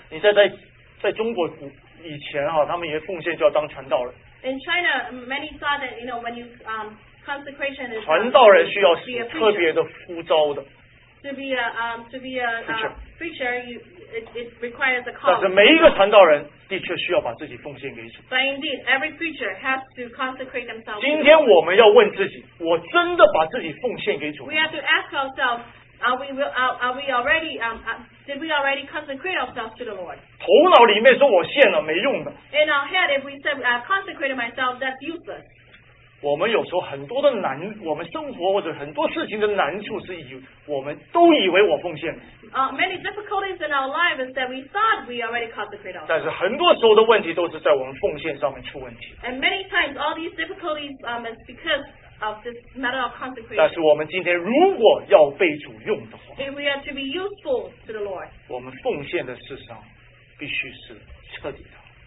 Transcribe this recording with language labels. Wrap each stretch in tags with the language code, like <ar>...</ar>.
<zh>你在中国以前哈，他们也奉献就要当传道人。</zh> <en>In China, many thought that you know when you consecration is.</en> <zh>传道人需要特别的呼召的。</zh> <en>To be a preacher, it requires a call.</en> <zh>但是每一个传道人。的确需要把自己奉献给主。</zh> <en>But indeed, every preacher has to consecrate themselves.</en> <zh>今天我们要问自己，我真的把自己奉献给主？</zh> <en>We have to ask ourselves, did we already consecrate ourselves to the Lord?</en> <zh>头脑里面说我献了没用的。</zh> <en>In our head, if we said I consecrated myself, that's useless.</en> <zh>我们有时候很多的难，我们生活或者很多事情的难处是以我们都以为我奉献了。</zh> <en>Many difficulties in our lives is that we thought we already consecrated ourselves.</en> <zh>但是很多时候的问题都是在我们奉献上面出问题。</zh> <en>And many times all these difficulties is because of this matter of consecration.</en> <zh>但是我们今天如果要被主用的话</zh> <en>，If we are to be useful to the Lord,</en> <zh>我们奉献的事上必须是彻底的。</zh>